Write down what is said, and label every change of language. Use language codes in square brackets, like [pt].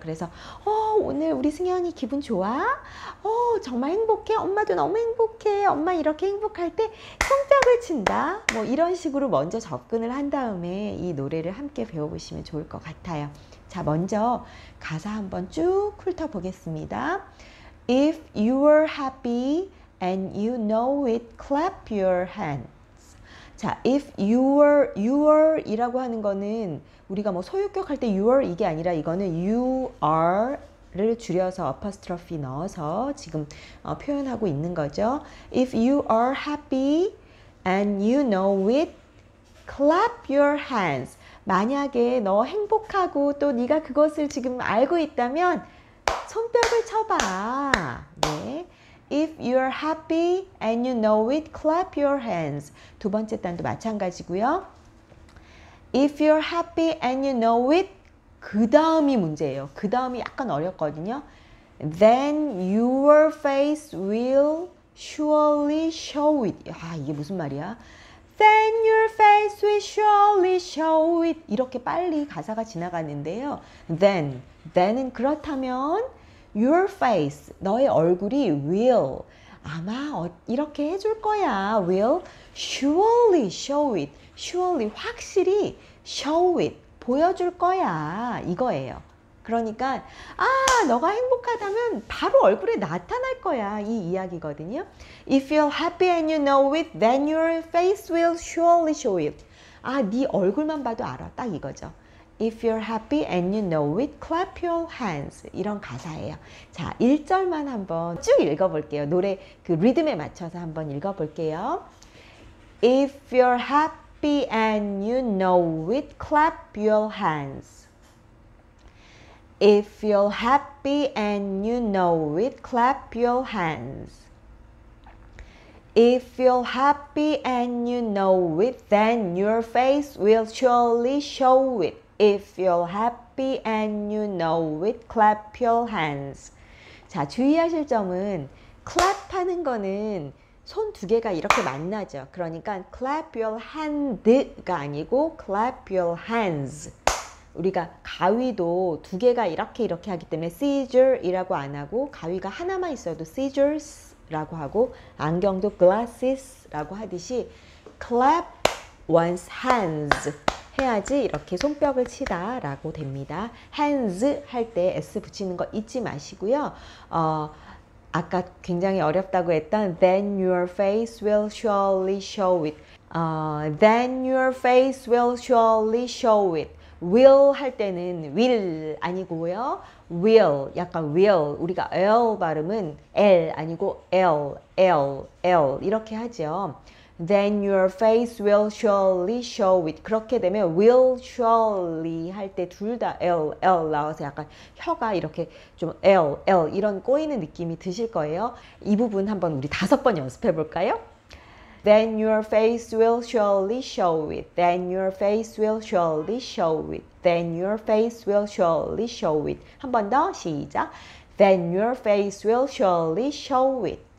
[ko] 그래서 오늘 우리 승현이 기분 좋아? 정말 행복해? 엄마도 너무 행복해. 엄마 이렇게 행복할 때 손뼉을 친다. 뭐 이런 식으로 먼저 접근을 한 다음에 이 노래를 함께 배워보시면 좋을 것 같아요. 자, 먼저 가사 한번 쭉 훑어보겠습니다. [en] If you were happy and you know it, clap your hands. [ko] 자, [en] if you were, you are [ko] 이라고 하는 거는 우리가 뭐 소유격 할 때 you are 이게 아니라 이거는 you are를 줄여서 apostrophe 넣어서 지금 표현하고 있는 거죠. [en] If you are happy and you know it, clap your hands. [ko] 만약에 너 행복하고 또 네가 그것을 지금 알고 있다면 손뼉을 쳐봐. 네. [en] If you're happy and you know it, clap your hands. [ko] 두 번째 단도 마찬가지고요. [en] If you're happy and you know it, [ko] 그 다음이 문제예요. 그 다음이 약간 어렵거든요. [en] Then your face will surely show it. [ko] 아, 이게 무슨 말이야? [en] Then your face will surely show it. [ko] 이렇게 빨리 가사가 지나가는데요. Then은 그렇다면 [en] Your face, [ko] 너의 얼굴이 will, 아마 이렇게 해줄 거야. [en] Will surely show it. [ko] Surely, 확실히 [en] show it, [ko] 보여줄 거야. 이거예요. 그러니까 너가 행복하다면 바로 얼굴에 나타날 거야. 이 이야기거든요. [en] If you're happy and you know it, then your face will surely show it. [ko] 아, 네 얼굴만 봐도 알아. 딱 이거죠. [en] If you're happy and you know it, clap your hands. [ko] 이런 가사예요. 자, 1절만 한번 쭉 읽어볼게요. 노래 그 리듬에 맞춰서 한번 읽어볼게요. [en] If you're happy and you know it, clap your hands. If you're happy and you know it, clap your hands. If you're happy and you know it, then your face will surely show it. If you're happy and you know it, clap your hands. [ko] 자, 주의하실 점은 clap 하는 거는 손 두 개가 이렇게 만나죠. 그러니까 [en] clap your hand가 [ko] 아니고 [en] clap your hands. [ko] 우리가 가위도 두 개가 이렇게 이렇게 하기 때문에 scissors이라고 안 하고 가위가 하나만 있어도 scissors라고 하고 안경도 glasses라고 하듯이 [en] clap one's hands. [ko] 해야지 이렇게 손뼉을 치다 라고 됩니다. hands 할 때 s 붙이는 거 잊지 마시고요. 아까 굉장히 어렵다고 했던 [en] then your face will surely show it. then your face will surely show it. [ko] will 할 때는 will 아니고요. will 약간 will 우리가 l 발음은 l 아니고 l l l 이렇게 하죠. [en] Then your face will surely show it. [ko] 그렇게 되면 will surely 할 때 둘 다 L, L 나와서 약간 혀가 이렇게 좀 L, L 이런 꼬이는 느낌이 드실 거예요. 이 부분 한번 우리 다섯 번 연습해 볼까요? [en] Then your face will surely show it. Then your face will surely show it. Then your face will surely show it. [ko] 한번 더 시작. [en] Then your face will surely show it.